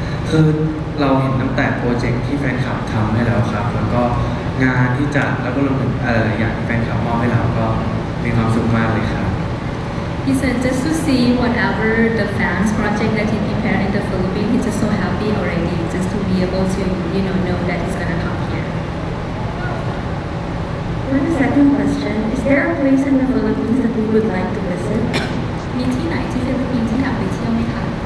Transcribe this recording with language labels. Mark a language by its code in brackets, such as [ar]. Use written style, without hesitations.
[th] คือเราเห็นตั้งแต่โปรเจกต์ที่แฟนคลับทำให้เราครับแล้วก็งานที่จัดแล้วก็รวมถึงอะไรอย่างที่แฟนคลับมอบให้เราก็มีความสุขมากเลยครับ [en] He said just to see whatever the fans project that he prepared in the Philippines he's just so happy already just to be able to you know that he's gonna come here. For the second question, is there a place in the Philippines that you would like to visit? [th] มีที่ไหนที่ฟิลิปปินส์ที่อยากไปเที่ยวไหมคะ